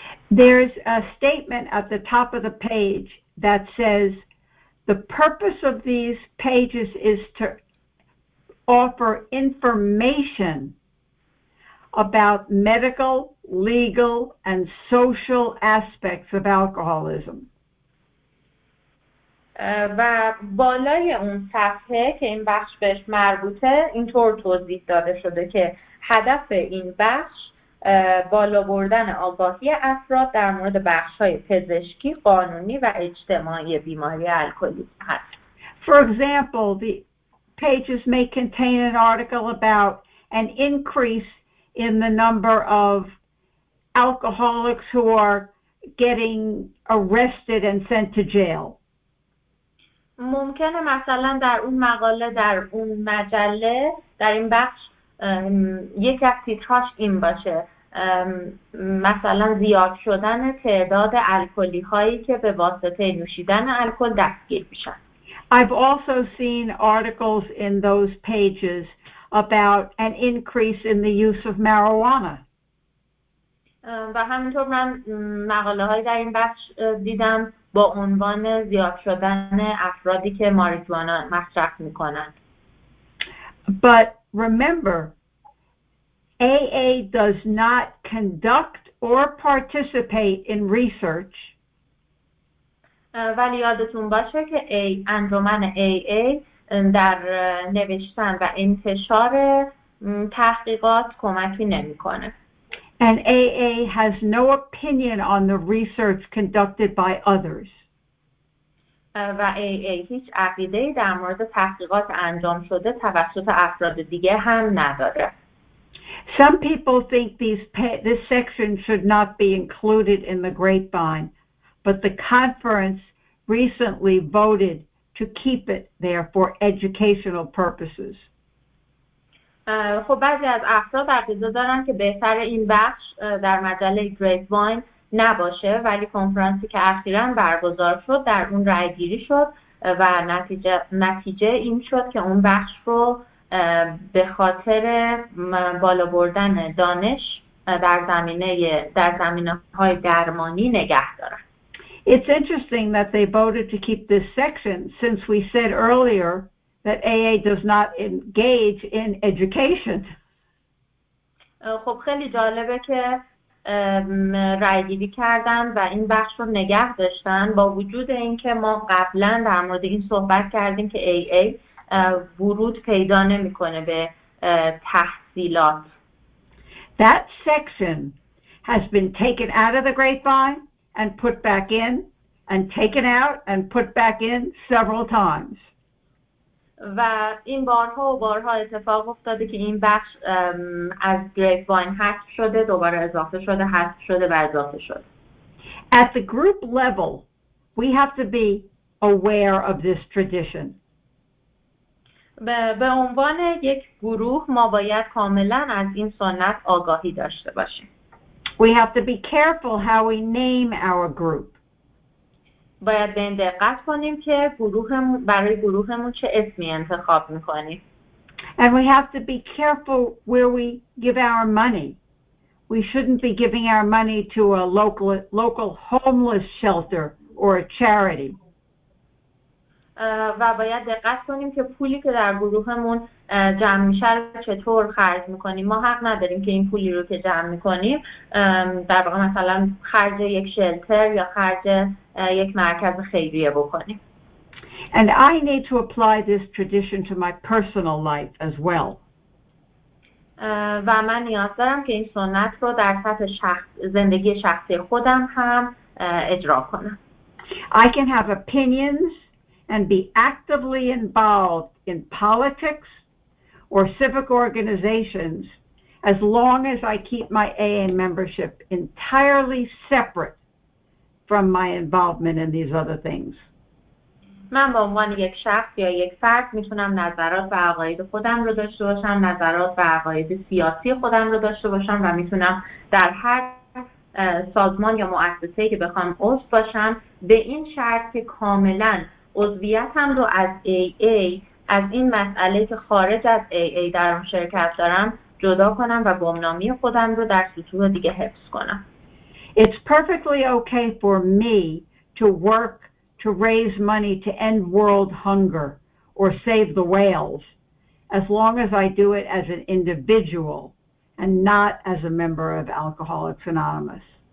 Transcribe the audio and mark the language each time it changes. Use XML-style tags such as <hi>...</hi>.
<en>There's a statement at the top of the page that says the purpose of these pages is to offer information about medical, legal, and social aspects of alcoholism.</en> <fa>و بالای اون صفحه که این بخش بهش مربوطه اینطور توضیح داده شده که هدف این بخش بالا بردن آگاهی افراد در مورد بخش‌های پزشکی، قانونی و اجتماعی بیماری الکلیسم هست.</fa> <en>For example, the pages may contain an article about an increase in the number of alcoholics who are getting arrested and sent to jail.</en> <fa>ممکنه مثلا در اون مقاله در اون مجله در این بخش یکی از تیتراش این باشه مثلا زیاد شدن تعداد الکلی هایی که به واسطه نوشیدن الکل دستگیر میشن.</fa> <en>I've also seen articles in those pages about an increase in the use of marijuana.</en> <fa>و همینطور من مقاله هایی در این بخش دیدم با عنوان زیاد شدن افرادی که ماریجوانا مصرف میکنن.</fa> <en>But remember, AA does not conduct or participate in research.</en> <fa>ولی یادتون باشه که انجمن AA در نوشتن و انتشار تحقیقات کمکی نمی‌کنه.</fa> <en>And AA has no opinion on the research conducted by others.</en> <fa>و AA هیچ عقیده‌ای در مورد تحقیقات انجام شده توسط افراد دیگه هم نداره.</fa> <en>Some people think this section should not be included in the grapevine, but the conference recently voted to keep it there for educational purposes.</en> <fa>خب بعضی از افراد عقیده دارن که بهتر این بخش در مجله گریپوین نباشه ولی کنفرانسی که اخیراً برگزار شد در اون رأی‌گیری شد و نتیجه این شد که اون بخش رو به خاطر بالا بردن دانش در زمینه‌های درمانی نگه دارن.</fa> <en>It's interesting that they voted to keep this section since we said earlier that AA does not engage in education.</en> <fa>خب خیلی جالبه که رأی‌گیری کردن و این بخش رو نگه داشتن با وجود اینکه ما قبلا در مورد این صحبت کردیم که AA ورود پیدا نمیکنه به تحصیلات.</fa> <en>That section has been taken out of the grapevine and put back in and taken out and put back in several times.</en> <fa>و این بارها و بارها اتفاق افتاده که این بخش از grapevine حذف شده، دوباره اضافه شده، حذف شده و اضافه شده.</fa> <en>At the group level, we have to be aware of this tradition.</en> <fa>به عنوان یک گروه ما باید کاملا از این سنت آگاهی داشته باشیم.</fa> <en>We have to be careful how we name our group.</en> <fa>باید به این دقت کنیم که برای گروهمون چه اسمی انتخاب میکنیم.</fa> <en>And we have to be careful where we give our money. We shouldn't be giving our money to a local homeless shelter or a charity.</en> <fa>و باید دقت کنیم که پولی که در گروهمون جمع میشه چطور خرج میکنیم. ما حق نداریم که این پولی رو که جمع میکنیم در واقع مثلا خرج یک شلتر یا خرج یک مرکز خیریه بکنیم.</fa> <en>And I need to apply this tradition to my personal life as well.</en> <fa>و من نیاز دارم که این سنت رو در سطح زندگی شخصی خودم هم اجرا کنم.</fa> <en>I can have opinions and be actively involved in politics or civic organizations as long as I keep my AA membership entirely separate from my involvement in these other things.</en> <fa>من با عنوان یک شخص یا یک فرد میتونم نظرات و عقاید خودم رو داشته باشم، نظرات و عقاید سیاسی خودم رو داشته باشم و میتونم در هر سازمان یا مؤسسه که بخوام عضو باشم به این شرط که کاملا عضویتم رو از AA، از این مسئله که خارج از AA در اون شرکت دارم جدا کنم و گمنامی خودم رو در سطوح دیگه حفظ کنم.</fa> <en>It's perfectly okay for me to work to raise money to end world hunger or save the whales as long as I do it as an individual and not as a member of Alcoholics Anonymous.</en>